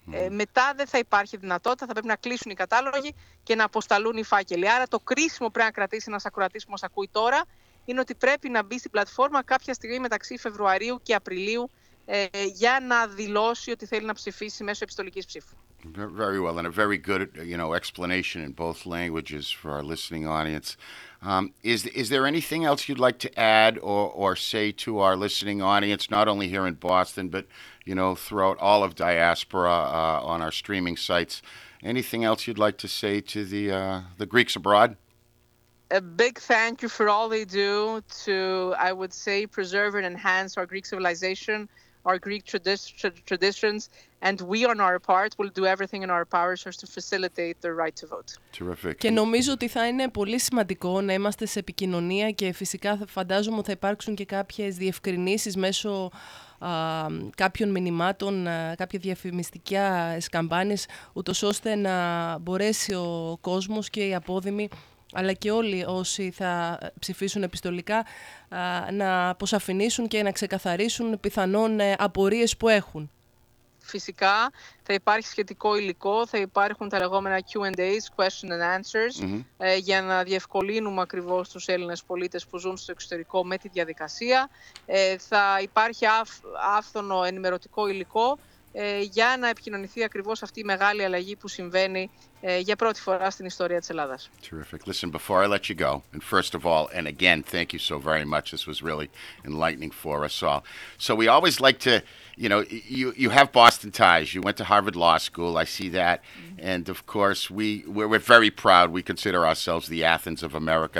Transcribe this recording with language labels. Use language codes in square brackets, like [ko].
[el] Μετά δεν θα υπάρχει δυνατότητα, θα πρέπει να κλείσουν οι κατάλογοι και να αποσταλούν οι φάκελοι. Άρα το κρίσιμο πρέπει να κρατήσει ένας ακροατής που μας ακούει τώρα είναι ότι πρέπει να μπει στην πλατφόρμα κάποια στιγμή μεταξύ Φεβρουαρίου και Απριλίου για να δηλώσει ότι θέλει να ψηφίσει μέσω επιστολικής ψήφου. [en] Very well, and a very good, you know, explanation in both languages for our listening audience. Is there anything else you'd like to add or say to our listening audience, not only here in Boston, but, you know, throughout all of diaspora on our streaming sites? Anything else you'd like to say to the Greeks abroad? A big thank you for all they do to, I would say, preserve and enhance our Greek civilization, our Greek traditions, and we on our part will do everything in our powers to facilitate the right to vote. Terrific. [el] Και νομίζω ότι θα είναι πολύ σημαντικό να είμαστε σε επικοινωνία και φυσικά φαντάζομαι ότι θα υπάρξουν και κάποιες διευκρινήσεις μέσω κάποιων μηνυμάτων, κάποια διαφημιστικά καμπάνιες, ούτως ώστε να μπορέσει ο κόσμος και οι απόδημοι αλλά και όλοι όσοι θα ψηφίσουν επιστολικά να αποσαφηνίσουν και να ξεκαθαρίσουν πιθανόν απορίες που έχουν. Φυσικά θα υπάρχει σχετικό υλικό, θα υπάρχουν τα λεγόμενα Q&As, [en] question and answers, [el] για να διευκολύνουμε ακριβώς τους Έλληνες πολίτες που ζουν στο εξωτερικό με τη διαδικασία. Θα υπάρχει άφθονο ενημερωτικό υλικό για να επικοινωνηθεί ακριβώς αυτή η μεγάλη αλλαγή που συμβαίνει για πρώτη φορά στην ιστορία της Ελλάδας. [en] Terrific. Listen, before I let you go, and first of all, and again, thank you so very much. This was really enlightening for us all. So we always like to, you know, you have Boston ties. You went to Harvard Law School. I see that. Mm-hmm. And of course, we're very proud. We consider ourselves the Athens of America.